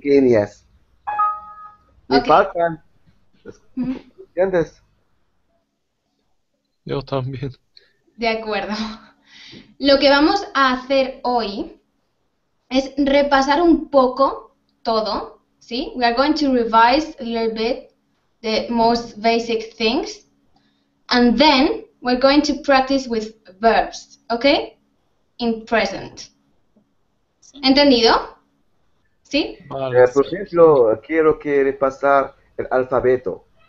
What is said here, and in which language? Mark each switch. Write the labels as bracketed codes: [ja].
[es] pequeñas. Me [en] Okay. [es] faltan. ¿Entiendes? Yo también. De acuerdo. Lo que vamos a hacer hoy es repasar un poco todo, ¿sí? [en] We are going to revise a little bit the most basic things and then we're going to practice with verbs, ¿okay? In present. [es] ¿Entendido? ¿Sí? Vale, por ejemplo, quiero que repasar el alfabeto.